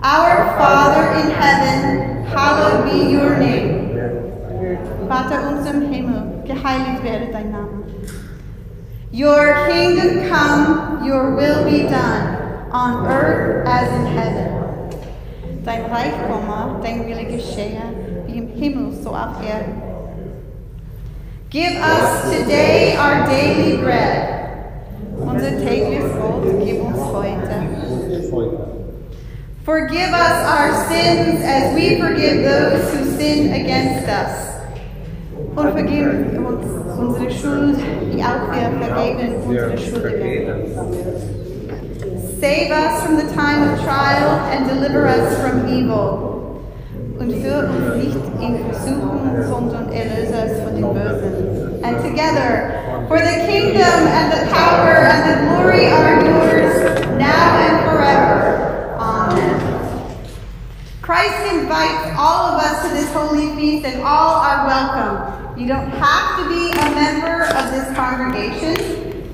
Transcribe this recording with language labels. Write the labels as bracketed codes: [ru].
[en] Our Father in heaven, hallowed be your name. [de] Vater unserem Himmel, geheiligt werde dein Name. [en] Your kingdom come, your will be done, on earth as in heaven. [de] Dein Reich komme, dein Wille geschehe, wie im Himmel so auf Erden. [en] Give us today our daily bread. [de] Unser tägliches Brot gib uns heute. [en] Forgive us our sins as we forgive those who sin against us. [de] Und vergib uns unsere Schuld, wie auch wir vergeben unsere Schuldigen. [en] Save us from the time of trial and deliver us from evil. [de] Und führ uns nicht in Versuchung, sondern erlöse us von den Bösen. [en] And together, for the kingdom and the power and the glory are yours, now and forever. Amen. Christ invites all of us to this holy feast, and all are welcome. You don't have to be a member of this congregation.